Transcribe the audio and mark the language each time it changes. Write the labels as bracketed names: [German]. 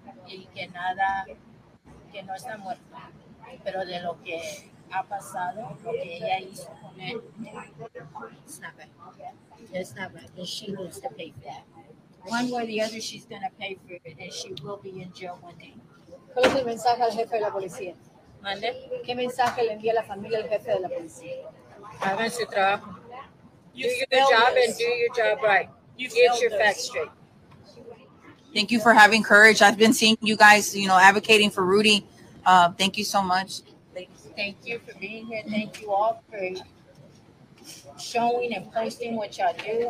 [Spanish] Y que nada, que no está muerta. Pero de lo que ha pasado, lo que ella hizo con él, [English] it's not bad. It's not bad. And she needs to pay for that. One way or the other, she's going to pay for it, and she will be in jail one day. [Spanish] ¿Cuál es el mensaje al jefe de la policía? ¿Mande? ¿Qué mensaje le envía la familia al jefe de la policía? Hagan su trabajo. [English] You do your job this. And do your job right. You get your facts straight. Thank you for having courage. I've been seeing you guys, you know, advocating for Rudy. Thank you so much. Thank you for being here. Thank you all for showing and posting what y'all do.